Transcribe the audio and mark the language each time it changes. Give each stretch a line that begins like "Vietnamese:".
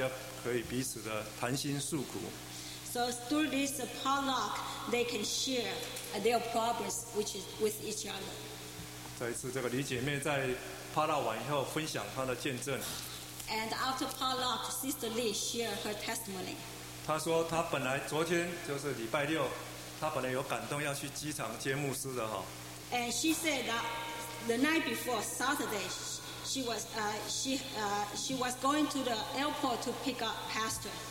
Chinese: 所以借这个聚会聚餐的时间，大家可以彼此的谈心诉苦。
English: So through this potluck, they can share their problems with each other.
Chinese: 再一次，这个李姐妹在 potluck 完以后分享她的见证。
English: And after potluck, Sister Lee shared her testimony.
Chinese: 她说她本来昨天就是礼拜六。他本来有感动要去机场接牧师的。
English: And she said that the night before Saturday, she was going to the airport to pick up pastor.